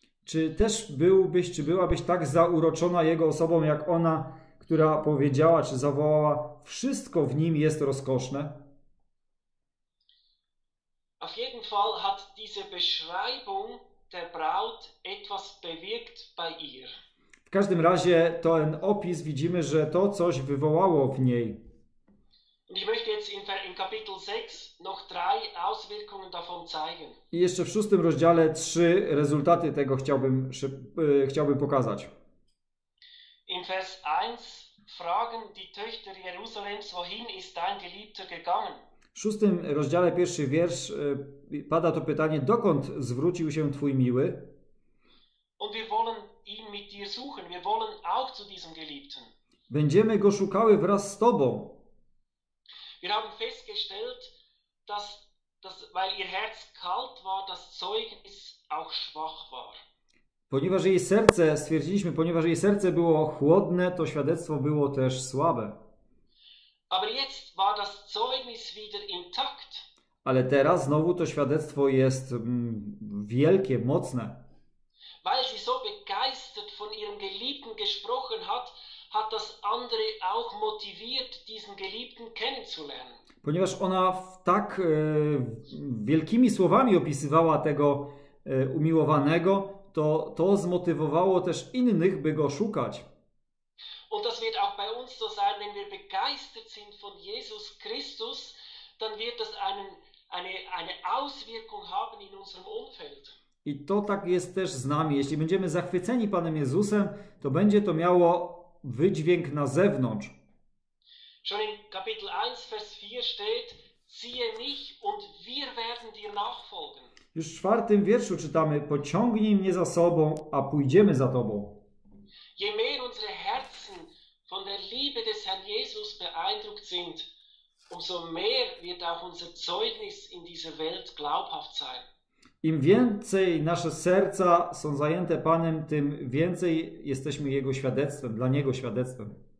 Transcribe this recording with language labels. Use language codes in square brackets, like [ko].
[pl] Czy też byłbyś, czy byłabyś tak zauroczona jego osobą, jak ona, która powiedziała, czy zawołała, wszystko w nim jest rozkoszne? [de] Auf jeden Fall hat diese Beschreibung der Braut etwas bewirkt bei ihr. [pl] W każdym razie ten opis widzimy, że to coś wywołało w niej. [de] Ich möchte jetzt in Kapitel 6 noch drei Auswirkungen davon zeigen. [pl] I jeszcze w 6 rozdziale 3 rezultaty tego chciałbym pokazać. [de] In Vers 1 fragen die Töchter Jerusalems, wohin ist dein Geliebter gegangen? [pl] W 6 rozdziale 1 wiersz pada to pytanie, dokąd zwrócił się twój miły? [de] Und wir wollen ihn mit dir suchen. Wir wollen auch zu diesem Geliebten. [pl] Będziemy go szukały wraz z tobą. [de] Wir haben festgestellt, dass weil ihr Herz kalt war, das Zeugnis auch schwach war. [pl] Ponieważ jej serce, stwierdziliśmy, ponieważ jej serce było chłodne, to świadectwo było też słabe. [de] Aber jetzt war das Zeugnis wieder intakt. [pl] Ale teraz znowu to świadectwo jest wielkie, mocne. [de] Weil sie so begeistert von ihrem Geliebten gesprochen hat, hat das andere auch motiviert, diesen Geliebten kennenzulernen. [pl] Ponieważ ona tak wielkimi słowami opisywała tego umiłowanego, to zmotywowało też innych, by go szukać. [de] Und das wird auch bei uns so sein, wenn wir begeistert sind von Jesus Christus, dann wird das eine Auswirkung haben in unserem Umfeld. [pl] I to tak jest też z nami. Jeśli będziemy zachwyceni Panem Jezusem, to będzie to miało wydźwięk na zewnątrz. [de] Schon in Kapitel 1, Vers 4 steht, ziehe mich und wir werden dir nachfolgen. [pl] Już w 4 wierszu czytamy, pociągnij mnie za sobą, a pójdziemy za tobą. [de] Je mehr unsere Herzen von der Liebe des Herrn Jesus beeindruckt sind, umso mehr wird auch unser Zeugnis in dieser Welt glaubhaft sein. [pl] Im więcej nasze serca są zajęte Panem, tym więcej jesteśmy Jego świadectwem, dla Niego świadectwem.